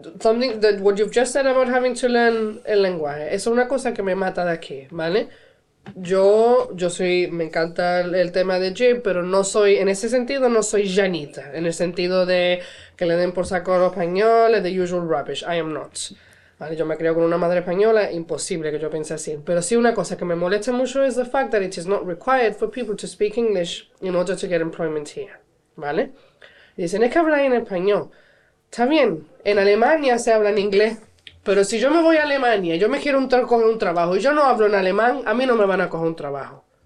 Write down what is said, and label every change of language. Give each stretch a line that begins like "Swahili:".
English: Something that what you've just said about having to learn el lenguaje,
Spanish: es una cosa que me mata de aquí, ¿vale? Yo soy, me encanta el tema de Jim, pero no soy, en ese sentido, no soy llanita. En el sentido de que le den por saco los españoles,
English: the usual rubbish, I am not.
Spanish: Vale, yo me crié con una madre española, imposible que yo piense así. Pero sí, una cosa que me molesta mucho es
English: the fact that it is not required for people to speak English in order to get employment here.
Spanish: ¿Vale? Y dicen, es que hablar en español. Está bien, en Alemania se habla en inglés. Pero si yo me voy a Alemania, yo me quiero coger un trabajo y yo no hablo en alemán, a mí no me van a coger un trabajo.